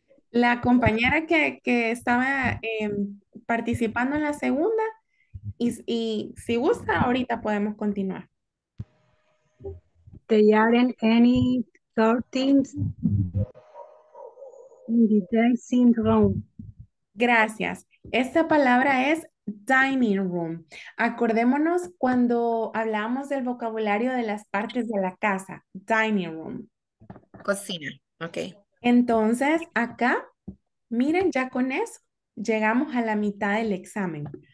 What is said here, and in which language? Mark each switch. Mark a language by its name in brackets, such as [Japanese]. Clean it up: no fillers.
[Spanish] La compañera que estaba participando en la segunda, y si gusta, ahorita podemos continuar. [English] They aren't any curtains in the dancing room. [Spanish] Gracias. Esta palabra es dining room. Acordémonos cuando hablábamos del vocabulario de las partes de la casa. [English] Dining room. [Spanish] Cocina. Ok. Entonces, acá, miren, ya con eso llegamos a la mitad del examen.